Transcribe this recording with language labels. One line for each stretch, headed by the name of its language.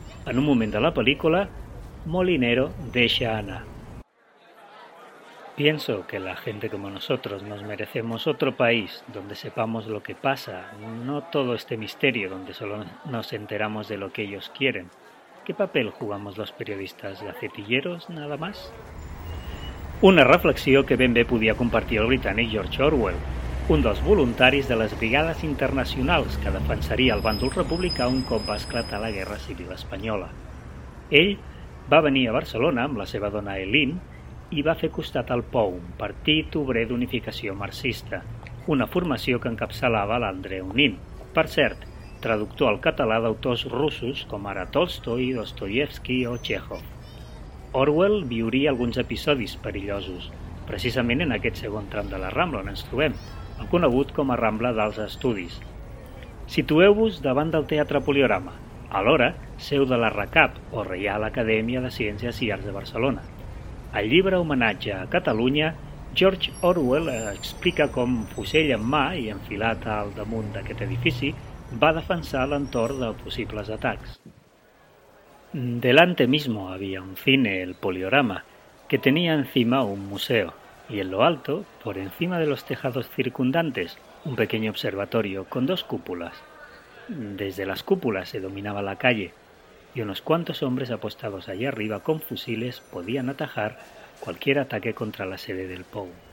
Catalan: En un moment de la pel·lícula, Molinero deixa anar:
Spanish: "Pienso que la gente como nosotros nos merecemos otro país donde sepamos lo que pasa, no todo este misterio donde solo nos enteramos de lo que ellos quieren. ¿Qué papel jugamos los periodistas, gacetilleros, nada más?".
Catalan: Una reflexió que ben bé podia compartir el britànic George Orwell, un dels voluntaris de les brigades internacionals que defensaria el bàndol republicà un cop va esclatar la Guerra Civil Espanyola. Ell va venir a Barcelona amb la seva dona Eileen i va fer costat al POU, un partit obrer d'unificació marxista, una formació que encapçalava l'Andreu Nin, per cert, traductor al català d'autors russos com ara Tolstoi, Dostoyevski o Chekhov. Orwell viuria alguns episodis perillosos, precisament en aquest segon tram de la Rambla on ens trobem, el conegut com a Rambla dels Estudis. Situeu-vos davant del Teatre Poliorama, alhora seu de la RACAP, o Reial Acadèmia de Ciències i Arts de Barcelona. Al llibre homenatge a Catalunya, George Orwell explica com, fusell en mà i enfilat al damunt d'aquest edifici, va defensar l'entorn de possibles atacs.
Spanish: Delante mismo había un cine, el Poliorama, que tenía encima un museo, y en lo alto, por encima de los tejados circundantes, un pequeño observatorio con 2 cúpulas. Desde las cúpulas se dominaba la calle, y unos cuantos hombres apostados allá arriba con fusiles podían atajar cualquier ataque contra la sede del POU.